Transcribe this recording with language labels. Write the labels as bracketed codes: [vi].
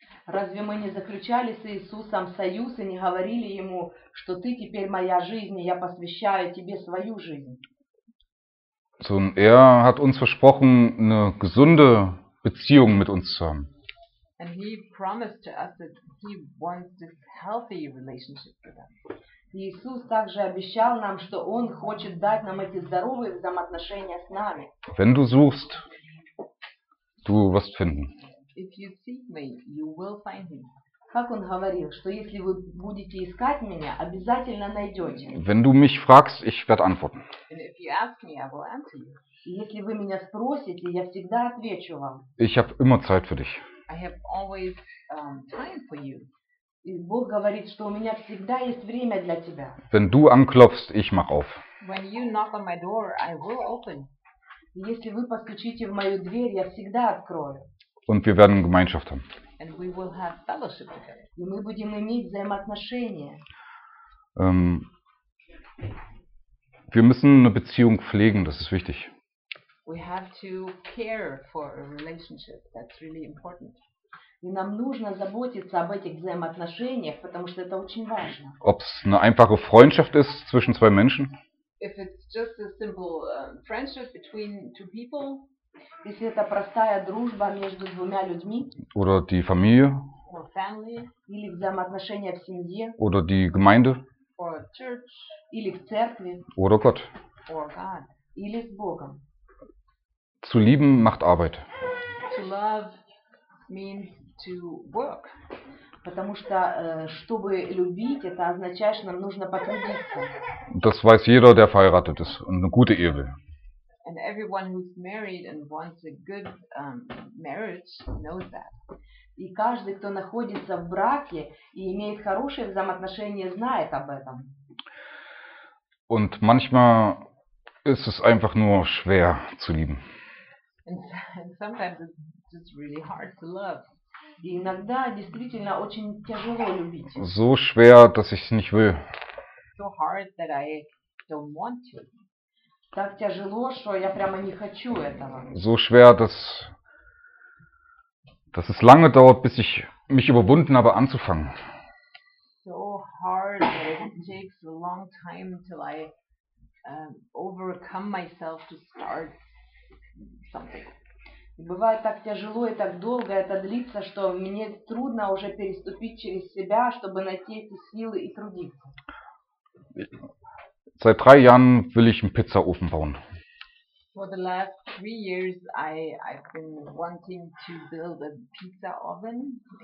[ru] Разве мы не заключали с Иисусом союз и не говорили ему, что ты теперь моя жизнь, и я посвящаю тебе свою жизнь? [de] So, er hat uns versprochen, eine gesunde Beziehung mit uns zu haben. [en] And he promised to us that he wants this healthy relationship with us. [ru] Иисус также обещал нам, что он хочет дать нам эти здоровые взаимоотношения с нами. [de] Wenn du suchst, du wirst finden. [en] If you seek me, you will find me. [ru] Как он говорил, что если вы будете искать меня, обязательно найдете. [de] Wenn du mich fragst, ich werde antworten. [en] And if you ask me, I will answer you. [ru] И если вы меня спросите, я всегда отвечу вам. [de] Ich habe immer Zeit für dich. [en] I have always time for you. [ru] И Бог говорит, что у меня всегда есть время для тебя. [de] Wenn du anklopfst, ich mach auf. [en] When you knock on my door, I will open. [ru] Если вы постучите в мою дверь, я всегда открою. [de] Und wir werden Gemeinschaft haben. [en] And we will have fellowship together. [ru] И мы будем иметь взаимоотношения. [de] Wir müssen eine Beziehung pflegen, das ist wichtig. [en] We have to care for a relationship. That's really important. [ru] И нам нужно заботиться об этих взаимоотношениях, потому что это очень важно. [de] Ob es eine einfache Freundschaft ist zwischen zwei Menschen? [en] If it's just a simple friendship between two people. [ru] Если это простая дружба между двумя людьми. [de] Oder die Familie. [en] Or family. [ru] Или взаимоотношения в семье. [de] Oder die Gemeinde. [en] Or church. [ru] Или в церкви. [de] Oder Gott. [en] Or God. [ru] Или с Богом. [de] Zu lieben macht Arbeit. [en] To love means to work. [ru] Потому что, чтобы любить, это означает, что нам нужно потрудиться. [de] Das weiß jeder, der verheiratet ist und eine gute Ehe will. [en] And everyone who's married and wants a good marriage knows that. [ru] И каждый, кто находится в браке и имеет хорошие взаимоотношения, знает об этом. [de] Und manchmal ist es einfach nur schwer zu lieben. [en] And sometimes it's just really hard to love. [ru] И иногда действительно очень тяжело любить. [de] So schwer, dass ich nicht will. [en] So hard that I don't want to. [ru] Так тяжело, что я прямо не хочу этого. [de] So schwer, dass es lange dauert, bis ich mich überwunden habe anzufangen. [en] So hard that it takes a long time till I overcome myself to start something. [ru] И бывает так тяжело и так долго это длится, что мне трудно уже переступить через себя, чтобы найти эти силы и трудиться. [de] Seit 3 Jahren will ich einen Pizzaofen bauen. [en] For the last 3 years I've been wanting to build a pizza oven.